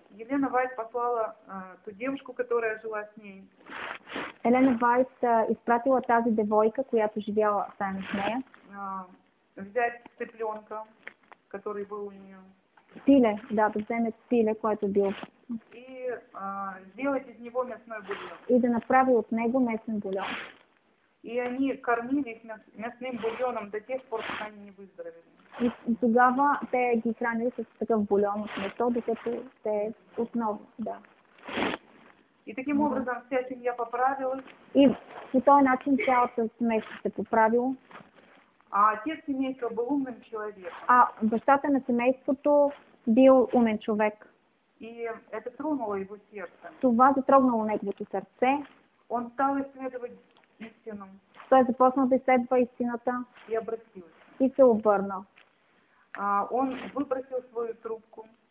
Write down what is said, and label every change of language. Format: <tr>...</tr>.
<ru>Елена Уайт послала ту девушку, которая жила с ней.</ru> <bg>Елена Уайт изпратила тази девойка, която живяла сами с нея.</bg> <ru>Взять цыпленка, который был у нее.</ru> <bg>Пиле, да, да вземе пиле, което бил.</bg> <ru>И сделать из него мясной бульон.</ru> <bg>И да направи от него местен бульон.</bg> <ru>И они кормили их мясным бульоном до тех пор, пока они не выздоровели.</ru> <bg>И тогава те ги хранили с такъв бульон от место, докато те отново, да.</bg> <ru>И таким образом вся семья поправилась.</ru> <bg>И по този начин цялото семейство се поправило.</bg> <ru>А отец семейства был умным человеком.</ru> <bg>А бащата на семейството бил умен човек.</bg> <ru>И это тронуло его сердце.</ru> <bg>Това затрогнало неговото сърце.</bg> <ru>Он стал исследовать истину.</ru> <bg>Той започнал да изследва истината.</bg> <ru>И обратился.</ru> <bg>И се обърнал.</bg> <ru>Он выбросил свою трубку.</ru>